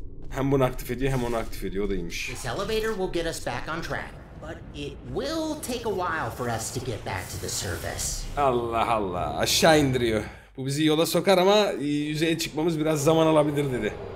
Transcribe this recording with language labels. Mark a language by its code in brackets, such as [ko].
[tr] Hem bunu aktif ediyor hem onu aktif ediyor. O da iyiymiş. [en] This elevator will get us back on track. But it will take a while for us to get back to the surface. [tr] Allah Allah, aşağı indiriyor. Bu bizi yola sokar ama yüzeye çıkmamız biraz zaman alabilir dedi.